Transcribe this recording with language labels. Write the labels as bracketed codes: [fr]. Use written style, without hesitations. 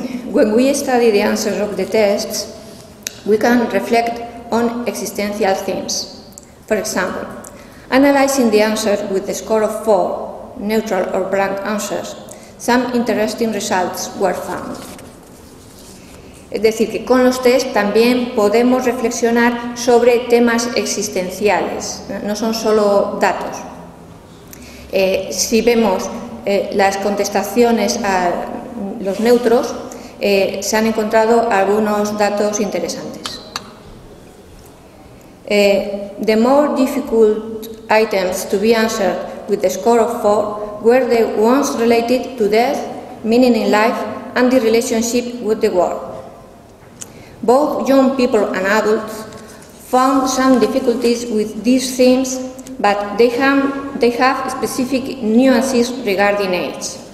[en] When we study the answers of the tests, we can reflect on existential themes. For example, analyzing the answer with the score of 4, neutral or blank answers, some interesting results were found. [es] Es decir, que con los tests también podemos reflexionar sobre temas existenciales, no son solo datos. Si vemos las contestaciones a los neutros, se han encontrado algunos datos interesantes. [en] The more difficult items to be answered with the score of 4 were the ones related to death, meaning in life, and the relationship with the world. Both young people and adults found some difficulties with these themes, but they have specific nuances regarding age.